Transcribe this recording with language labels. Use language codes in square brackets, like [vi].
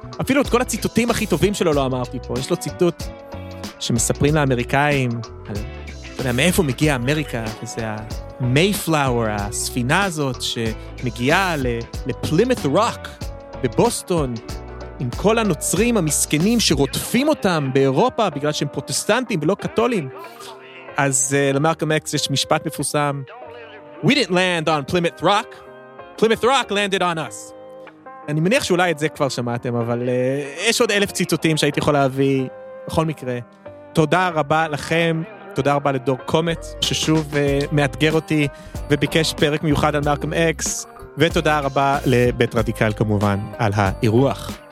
[he] אפילו את כל הציטוטים הכי טובים שלו לא אמרתי פה, יש לו ציטוט שמספרים לאמריקאים על, אתה יודע, מאיפה מגיע אמריקה, וזה ה-Mayflower, הספינה הזאת שמגיעה לפלימת' רוק בבוסטון, עם כל הנוצרים המסכנים שרוטפים אותם באירופה בגלל שהם פרוטסטנטים ולא קתולים. אז למרקום אקס יש משפט מפורסם, [en] We didn't land on Plymouth Rock, Plymouth Rock landed on us. [he] אני מניח שאולי את זה כבר שמעתם, אבל יש עוד 1,000 ציטוטים שהייתי יכול להביא בכל מקרה. תודה רבה לכם, תודה רבה לדור קומץ ששוב מאתגר אותי וביקש פרק מיוחד על מרקום אקס, ותודה רבה לבית רדיקל כמובן על האירוח.